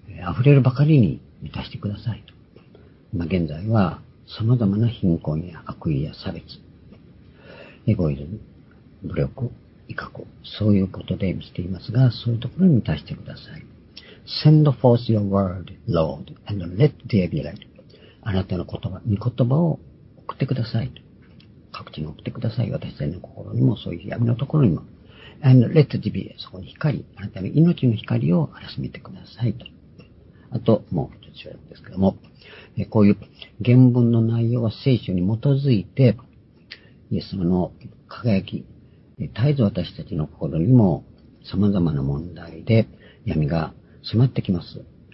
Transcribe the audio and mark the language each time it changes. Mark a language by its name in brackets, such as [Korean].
[Japanese] 溢れるばかりに満たしてくださいと。今現在は様々な貧困や悪意や差別、エゴイズム、武力、威嚇、そういうことで見せていますが、そういうところに満たしてください。 [English] Send forth your word, Lord, and let there be light. [Japanese] あなたの言葉、御言葉を送ってください。各地に送ってください。私たちの心にも、そういう闇のところにも。 [English] And let it be, [Japanese] そこに光、あなたの命の光を荒らしめてください。と。あと、もう一つですけども、こういう原文の内容は聖書に基づいて、イエス様の輝き、絶えず私たちの心にも様々な問題で闇が迫ってきます。